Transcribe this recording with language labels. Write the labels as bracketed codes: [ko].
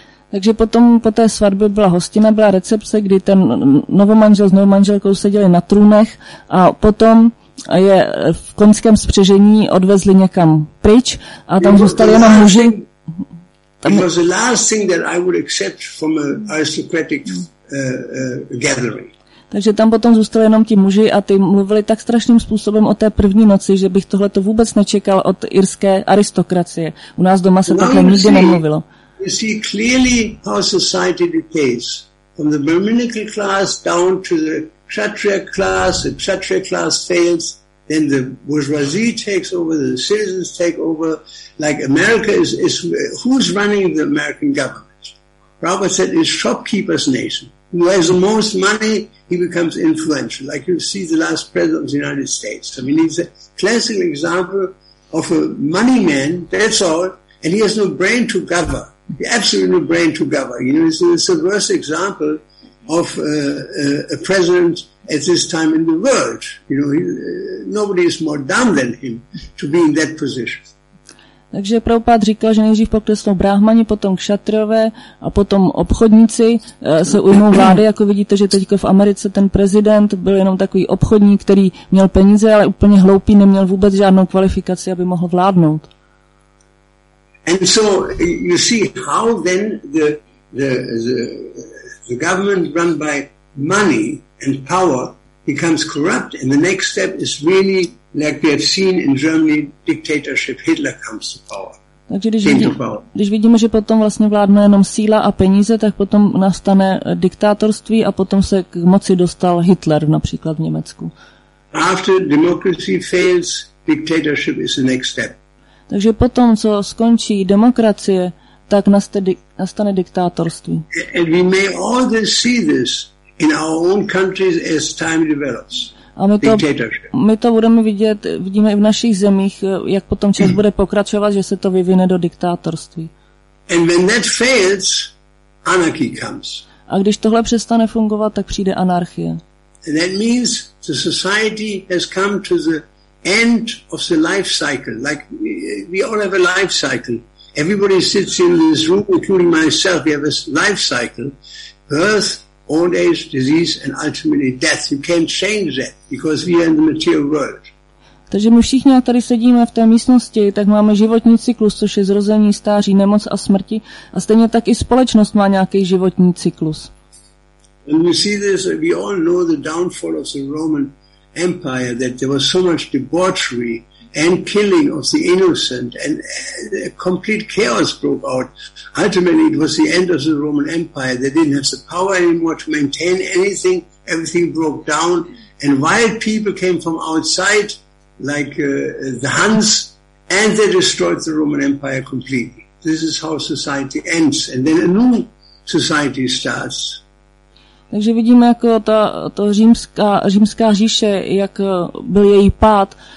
[cs] Takže potom po té svatbě byla hostina, byla recepce, kdy ten novomanžel s novomanželkou seděli na trůnech a potom je v koňském spřežení odvezli někam pryč a tam zůstali jenom muži. [en] It was the last thing that I would accept from an aristocratic gathering. [cs] Takže tam potom zůstali jenom ti muži a ty mluvili tak strašným způsobem o té první noci, že bych tohle to vůbec nečekal od irské aristokracie. U nás doma se takhle nikdy nemluvilo. [en] You see clearly how society decays. From the Brahminical class down to the Kshatriya class, the Kshatriya class fails, then the bourgeoisie takes over, the citizens take over. Like America is who's running the American government? Robert said it's shopkeeper's nation. Who has the most money, he becomes influential. Like you see the last president of the United States. I mean, he's a classic example of a money man, that's all, and he has no brain to govern. He absolutely no brain to govern. You know, it's a worse example of a president at this time in the world. You know, nobody is more dumb than him to be in that position. [cs] Takže Prabhupád říkal, že nejdřív poklesnou bráhmani, potom kšatriové a potom obchodníci se ujmou vlády. Jako vidíte, že teď v Americe ten prezident byl jenom takový obchodník, který měl peníze, ale úplně hloupý, neměl vůbec žádnou kvalifikaci, aby mohl vládnout. [en] And so you see how then the government run by money and power becomes corrupt and the next step is really like we have seen in Germany, dictatorship, Hitler comes to power. [cs] Takže když vidíme, že potom vlastně vládne jenom síla a peníze, tak potom nastane diktátorství a potom se k moci dostal Hitler například v Německu. [en] After democracy fails, dictatorship is the next step. [cs] Takže potom, co skončí demokracie, tak nastane diktátorství. [en] And we may always see this in our own countries as time develops. [cs] A my to budeme vidíme i v našich zemích, jak potom čas bude pokračovat, že se to vyvine do diktátorství. [en] And when that fails, anarchy comes. [cs] A když tohle přestane fungovat, tak přijde anarchie. [en] And that means the society has come to the end of the life cycle. Like we all have a life cycle. Everybody sits in this room, including myself, we have a life cycle. Birth, old age, disease and ultimately death. You can't change that because we are in the material world. [cs] Takže my všichni, jak tady sedíme v té místnosti, tak máme životní cyklus, což je zrození, stáří, nemoc a smrti. A stejně tak i společnost má nějaký životní cyklus. [en] And we see this, we all know the downfall of the Roman Empire, that there was so much debauchery and killing of the innocent and complete chaos broke out. Ultimately, it was the end of the Roman Empire. They didn't have the power anymore to maintain anything. Everything broke down. And wild people came from outside, like the Huns, and they destroyed the Roman Empire completely. This is how society ends. And then a new society starts. [cs] Takže vidíme, jako to římská říše, jak byl její pád.